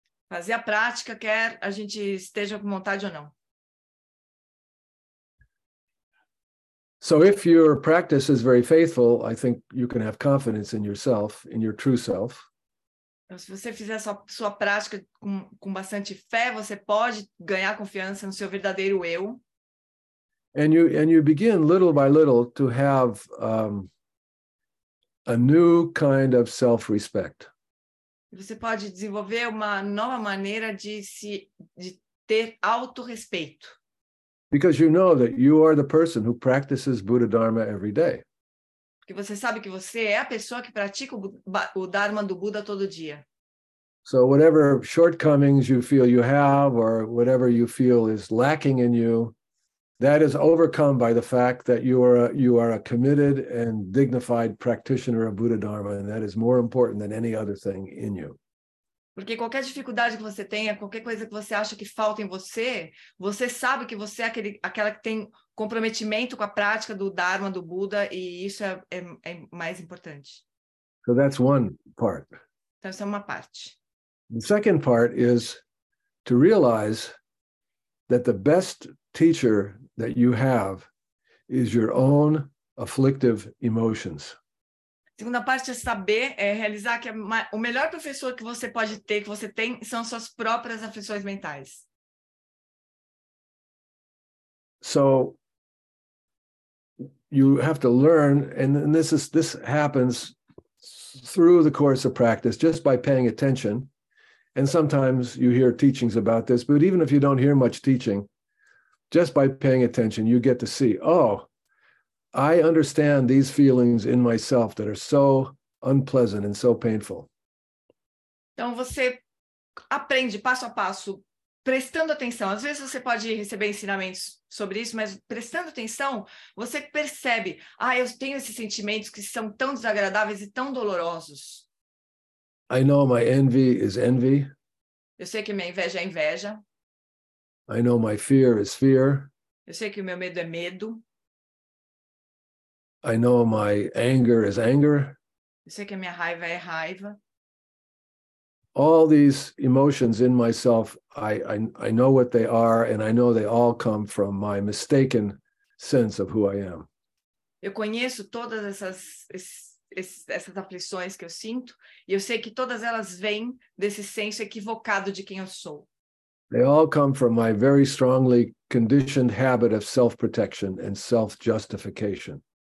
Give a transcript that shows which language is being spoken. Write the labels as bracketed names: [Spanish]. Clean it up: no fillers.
[Portuguese] Fazer a prática, quer a gente esteja com vontade ou não. [English] So if your practice is very faithful, I think you can have confidence in yourself, in your true self. [Portuguese] Então, se você fizer sua prática com bastante fé, você pode ganhar confiança no seu verdadeiro eu. [English] And you begin little by little to have a new kind of self-respect. [Portuguese] Você pode desenvolver uma nova maneira de ter autorrespeito. [English] Because you know that you are the person who practices Buddha Dharma every day. [Portuguese] Porque você sabe que você é a pessoa que pratica o Dharma do Buda todo dia. [English] So whatever shortcomings you feel you have, or whatever you feel is lacking in you, that is overcome by the fact that you are a committed and dignified practitioner of Buddha Dharma, and that is more important than any other thing in you. [Portuguese] Porque qualquer dificuldade que você tenha, qualquer coisa que você acha que falta em você, você sabe que você é aquela que tem comprometimento com a prática do Dharma, do Buda, e isso é mais importante. [English] So that's one part. [Portuguese] Então, essa é uma parte. [English] The second part is to realize that the best teacher that you have is your own afflictive emotions. [Portuguese] Segunda parte é saber, é realizar que o melhor professor que você pode ter, que você tem, são suas próprias aflições mentais. [English] So, you have to learn, and this happens through the course of practice, just by paying attention. And sometimes you hear teachings about this, but even if you don't hear much teaching, just by paying attention, you get to see, oh, I understand these feelings in myself that are so unpleasant and so painful. [Portuguese] Então você aprende passo a passo, prestando atenção. Às vezes você pode receber ensinamentos sobre isso, mas prestando atenção, você percebe, ah, eu tenho esses sentimentos que são tão desagradáveis e tão dolorosos. [English] I know my envy is envy. [Portuguese] Eu sei que minha inveja é inveja. [English] I know my fear is fear. [Portuguese] Eu sei que o meu medo é medo. [English] I know my anger is anger. [Portuguese] Eu sei que a minha raiva é raiva. [English] All these emotions in myself, I know what they are, and I know they all come from my mistaken sense of who I am. [Portuguese] Eu conheço todas essas aflições que eu sinto, e eu sei que todas elas vêm desse senso equivocado de quem eu sou. [English] They all come from my very strongly conditioned habit of self-protection and self-justification.